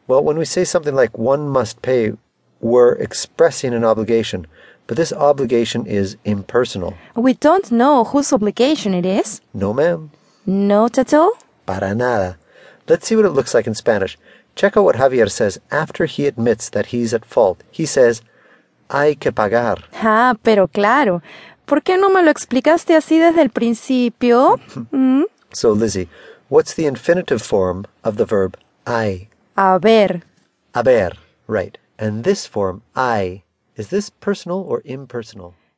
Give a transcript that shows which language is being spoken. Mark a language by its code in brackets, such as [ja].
[en] Well, when we say something like one must pay, we're expressing an obligation. But this obligation is impersonal. We don't know whose obligation it is. No, ma'am. Not at all? [es] Para nada. [en] Let's see what it looks like in Spanish. Check out what Javier says after he admits that he's at fault. He says, [es] hay que pagar. Ah, pero claro. ¿Por qué no me lo explicaste así desde el principio? [en] So, Lizzie, what's the infinitive form of the verb hay? [es] Haber. [en] Haber, right. And this form, hay, is this personal or impersonal?